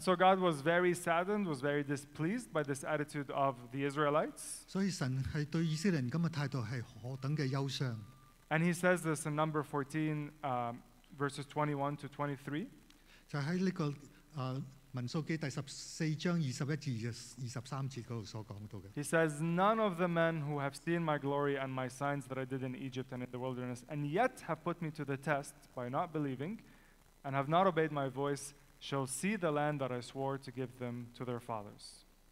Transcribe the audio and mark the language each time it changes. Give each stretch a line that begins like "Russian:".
English: so God was very saddened, was very displeased by this attitude of the Israelites.
Cantonese: 所以神系对以色列人咁嘅态度系何等嘅忧伤。
English: And he says this in number 14, verses 21 to 23. He says, none of the men who have seen my glory and my signs that I did in Egypt and in the wilderness and yet have put me to the test by not believing and have not obeyed my voice shall see the land that I swore to give them to their fathers.